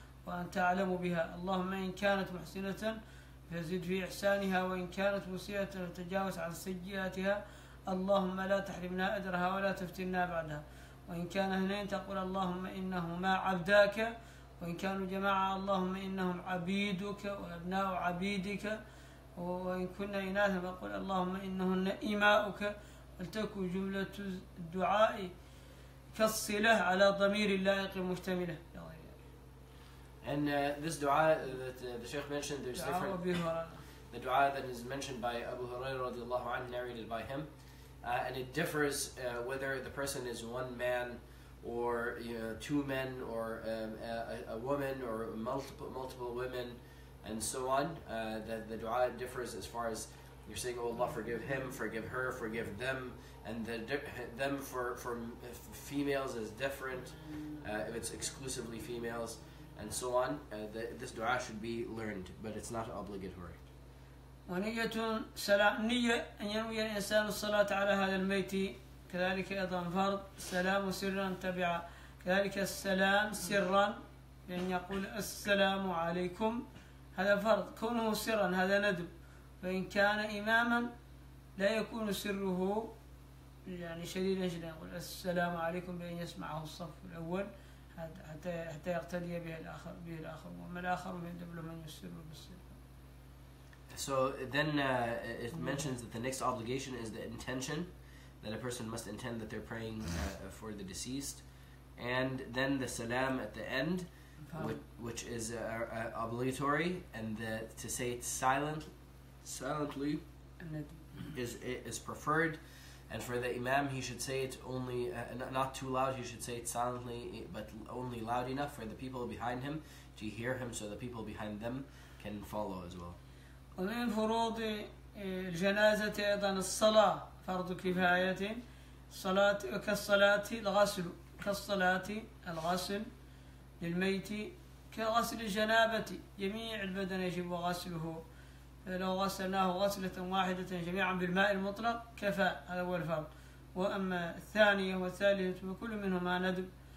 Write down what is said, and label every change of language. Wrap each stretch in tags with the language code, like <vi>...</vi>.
<ar>وأن تعلم بها اللهم إن كانت محسنة فزد في إحسانها وإن كانت مسيئة فتجاوز عن سيئاتها اللهم لا تحرمنا أجرها ولا تفتنا بعدها وإن كان اثنين تقول اللهم إنهما عبداك وإن كانوا جماعة اللهم إنهم عبيدك وأبناء عبيدك وإن كنا إناثا فقل اللهم إنهن إماؤك ولتكن جملة الدعاء كالصلة على ضمير اللائق المشتملة.</ar> <en>And this dua that the Shaykh mentioned, there's different. The dua that is mentioned by Abu Hurairah radiallahu anhu, narrated by him, and it differs whether the person is one man or two men or a woman or multiple women and so on. The dua differs as far as you're saying, oh Allah, forgive him, forgive her, forgive them. And them for females is different, if it's exclusively females. And so on, this dua should be learned, but it's not obligatory.</en> <ar>ونيتون سلام نية أن ينوي الإنسان الصلاة على هذا الميت كذلك أيضا فرض سلام سرا تبع كذلك السلام سرا لأن يقول السلام عليكم هذا فرض كونه سرا هذا ندب فإن كان إماما لا يكون سره يعني شديدا جدا يقول السلام عليكم بأن يسمعه الصف الأول حتى يقتدي به الآخر به الآخر وما الآخر من دبل من يسر بالسر.</ar> <en>So then it mentions that the next obligation is the intention that a person must intend that they're praying for the deceased, and then the salam at the end, which is obligatory, and to say it silently is preferred. And for the imam, he should say it only, not too loud, he should say it silently, but only loud enough for the people behind him to hear him so the people behind them can follow as well.</en> <ar>ومن فروض الجنازة أيضا الصلاة فرض كفاية صلاة كالصلاة الغسل كالصلاة الغسل للميت كغسل الجنابة جميع البدن يجب غسله فلو غسلناه غسلة واحدة جميعا بالماء المطلق كفى هذا هو الفرض وأما الثانية والثالثة فكل منهما ندب</ar>